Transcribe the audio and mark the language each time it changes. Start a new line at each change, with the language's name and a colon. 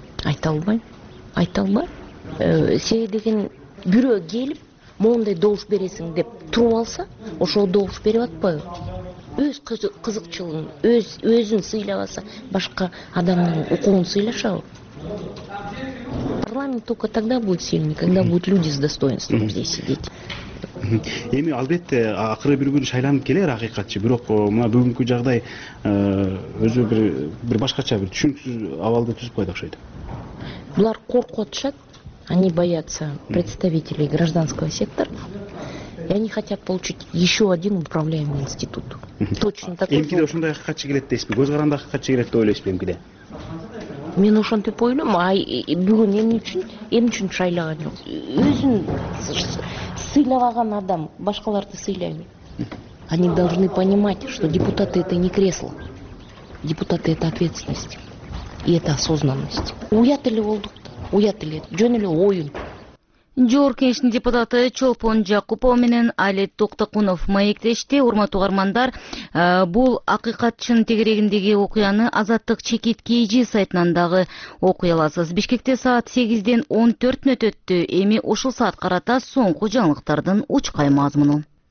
Kyrgyz: Айта албайм. Айта албайм. Себеби деген бирөө келип моундай добуш бересиң деп туруп алса, ошол добуш берип атпайбы? Өз кызыкчылыгын, өзүн сыйлабаса, башка адамдын укугун сыйлашабы?
Russian: Парламент только тогда будет сильный, когда будут люди с достоинством здесь сидеть.
Kyrgyz: Эми албетте акыры бир күн шайланып келер акыйкатчы, бирок мына бүгүнкү жагдай өзү бир башкача бир түшүнүксүз абалды түзүп койду окшойт. Булар коркуп атышат.
Russian: Они боятся представителей гражданского сектора, и они хотят получить еще один управляемый институт. Точно такой же.
Kyrgyz: Эмкиде ошондой акыйкатчы келет дейсизби? Көз каранды акыйкатчы келет деп ойлойсузбу эмкиде? Мен ошентип ойлойм. Ай, бүгүн эмне үчүн шайлаган жок? Өзүн сыйлабаган адам башкаларды сыйлай элек.
Russian: Они должны понимать, что депутаты — это не кресло. Депутаты — это ответственность. И это осознанность.
Kyrgyz: Уят эле болдук. Уят эле жөн эле оюн. Жогорку кеңештин депутаты Чолпон Жакупова менен Али Токтокунов маектешти. Урматтуу угармандар, бул акыйкатчынын тегерегиндеги окуяны Азаттык Чекит KG сайтынан дагы окуй аласыз. Бишкекте саат 8:14 өттү. Эми ушул саат карата соңку жаңылыктардын учкай мазмуну.